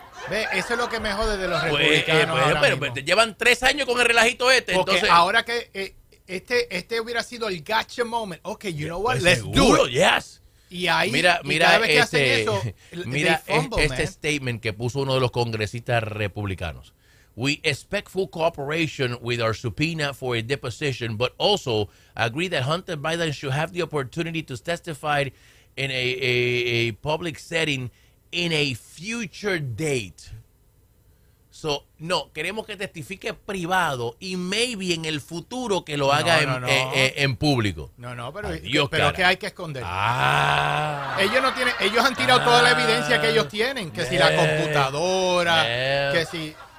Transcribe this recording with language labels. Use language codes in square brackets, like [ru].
[es] Ve, eso es lo que me jode de los republicanos. Pero llevan 3 años con el relajito este. Porque entonces, ahora que este hubiera sido el [en] gotcha moment. Ok, you know what? Let's do it. Yes. [es] Y ahí, mira, y cada vez que hacen eso, mira, este statement que puso uno de los congresistas republicanos. [en] We expect full cooperation with our subpoena for a deposition, but also agree that Hunter Biden should have the opportunity to testify in a public setting in a future date. So, [es] no, queremos que testifique privado y [en] maybe [es] en el futuro que lo haga en público. No, no, pero, pero que hay que esconder. Ellos no tienen, ellos han tirado toda la evidencia que ellos tienen, que si la computadora, que si...